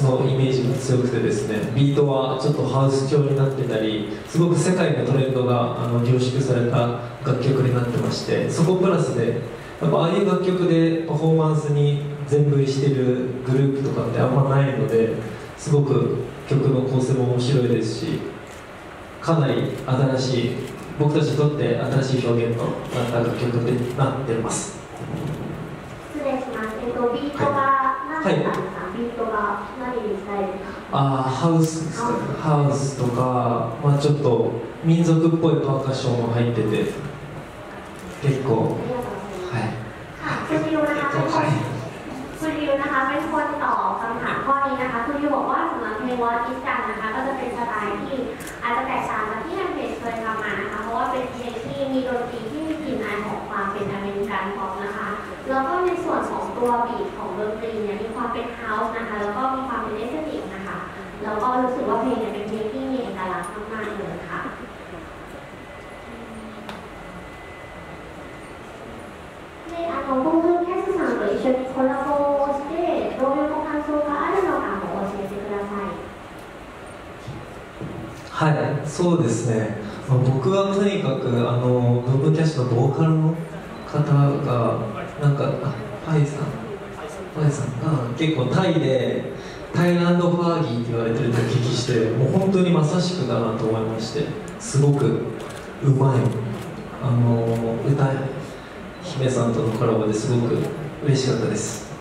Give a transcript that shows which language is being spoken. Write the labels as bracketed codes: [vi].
[ja] ハウス調になってたりすごく世界のトレンドが凝縮された楽曲になってましてそこプラスでやっぱああいう楽曲でパフォーマンスに全振りしてるグループとかってあんまないのですごく曲の構成も面白いですしかなり新しい僕たちにとって新しい表現となった楽曲になってます。失礼します。ビートが何だったんですか？ビートが何に使えるか。ハウスですか。ハウスとか、まあ、ちょっと民族っぽいパーカッションも入ってて結構 [th] แล้วก็ในส่วนของตัวบีทของดนตรีเนี่ยมีความเป็น เป็นเฮาส์นะคะแล้วก็มีความเป็นเอสเธติกนะคะแล้วก็รู้สึกว่าเพลงเนี่ยเป็นเพลงที่มีเอกลักษณ์มากๆเลยค่ะ [ja] であの今度キャスさんと一緒にコラボをしてどういうご感想があるのかも教えてください。はい、そうですね、まあ、僕はとにかくあのノブキャッシュのボーカルの方がなんかパイさんが結構タイでタイランドファーギーって言われてるとお聞きして、もう本当にまさしくだなと思いまして、すごくうまい、あの歌い姫さんとのコラボですごく嬉しかったです。